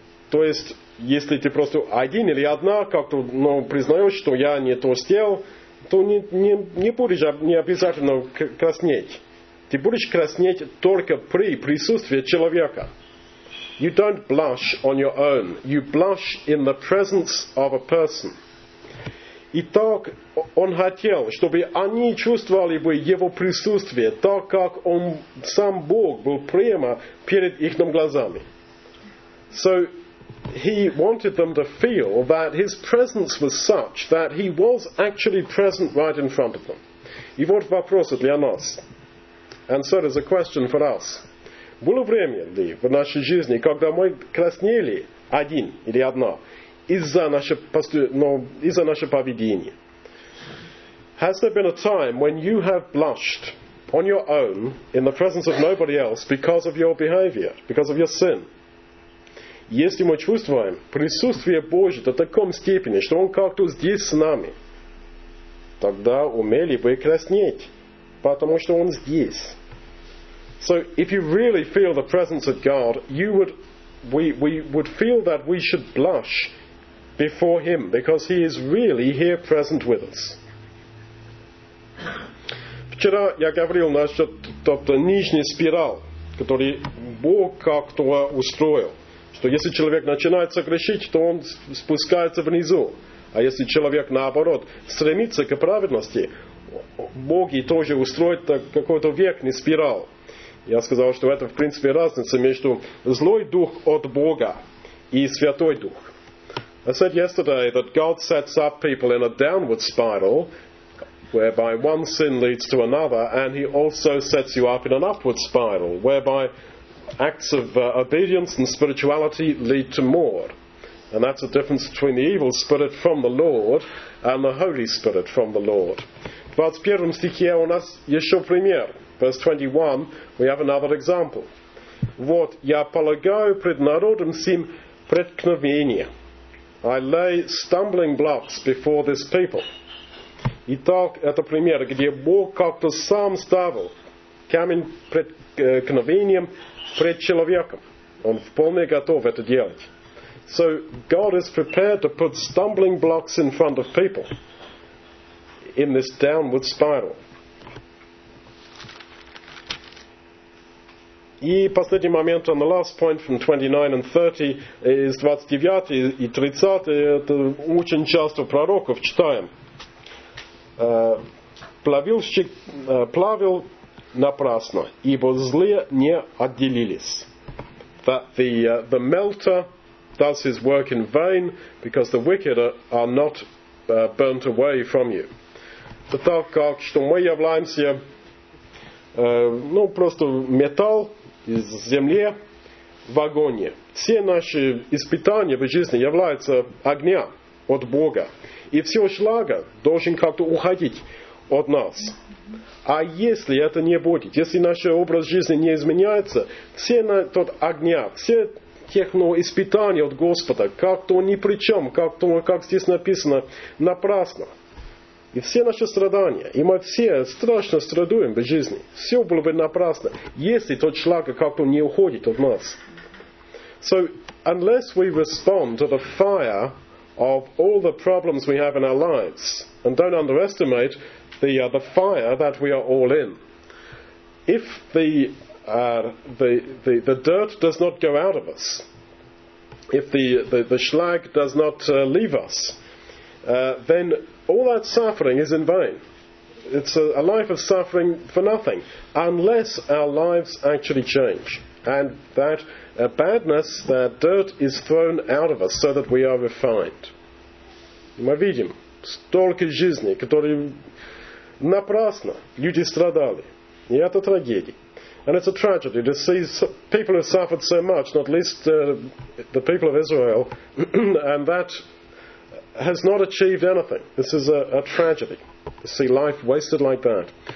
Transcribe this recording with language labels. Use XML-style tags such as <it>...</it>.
<ru>То есть, если ты просто один или одна, как-то признаешь, что я не то сделал, то не будешь не обязательно краснеть. Ты будешь краснеть только при присутствии человека.</ru> <en>You don't blush on your own. You blush in the presence of a person.</en> <ru>Итак, он хотел, чтобы они чувствовали бы его присутствие, так как он, сам Бог, был прямо перед их глазами.</ru> <en>So, he wanted them to feel that his presence was such that he was actually present right in front of them.</en> <ru>И вот вопрос для нас.</ru> <en>And so there's a question for us.</en> <ru>Было время ли в нашей жизни, когда мы краснели один или одна из-за нашего поведения?</ru> <en>Has there been a time when you have blushed on your own in the presence of nobody else because of your behavior, because of your sin?</en> <ru>Если мы чувствуем присутствие Божье до такой степени, что Он как-то здесь с нами, тогда умели бы краснеть, потому что Он здесь.</ru> <en>So if you really feel the presence of God, we would feel that we should blush before Him because He is really here present with us.</en> <ru>Вчера я говорил насчет нижней спирал, который Бог как-то устроил, что если человек начинает согрешить, то он спускается внизу, а если человек наоборот стремится к праведности, Бог и тоже устроит какой-то верхний спирал. Я сказал, что это, в принципе, разница между злой дух от Бога и святой дух.</ru> <en>I said yesterday that God sets up people in a downward spiral, whereby one sin leads to another, and He also sets you up in an upward spiral, whereby acts of obedience and spirituality lead to more. And that's the difference between the evil spirit from the Lord and the Holy Spirit from the Lord.</en> <ru>В 21 стихе у нас еще пример.</ru> <en>Verse 21, we have another example.</en> <ru>Вот, я полагаю пред народом сим преткновение.</ru> <en>I lay stumbling blocks before this people.</en> <ru>Итак, это пример, где Бог как-то сам ставил камень преткновением пред человеком. Он вполне готов это делать.</ru> <en>So, God is prepared to put stumbling blocks in front of people in this downward spiral.</en> <ru>И последний момент,</ru> <en>on the last point from 29 and 30, is</en> <ru>29 и 30, это очень часто пророков читаем. Плавильщик плавил напрасно, ибо злые не отделились.</ru> <en>that the melter does his work in vain, because the wicked are not burnt away from you.</en> <ru>Так как, что мы являемся, просто металл из земли в огне. Все наши испытания в жизни являются огня от Бога. И все шлага должен как-то уходить от нас. А если это не будет, если наш образ жизни не изменяется, все тот огня, все тех испытаний от Господа, как-то ни при чем, как-то, как здесь написано, напрасно. И все наши страдания, и мы все страшно страдаем в жизни, все было бы напрасно, если тот шлаг как-то не уходит от нас.</ru> <en>So, unless we respond to the fire of all the problems we have in our lives, and don't underestimate the fire that we are all in. If the dirt does not go out of us, if the schlag does not leave us, then all that suffering is in vain. It's a life of suffering for nothing, unless our lives actually change. And that badness, that dirt, is thrown out of us so that we are refined.</en> <ru>Мы видим столько жизней, которые напрасно люди страдали. И это трагедия.</ru> <en>And it's a tragedy to see people who suffered so much, not least the people of Israel, and that has not achieved anything. This is a tragedy to see life wasted like that.</en>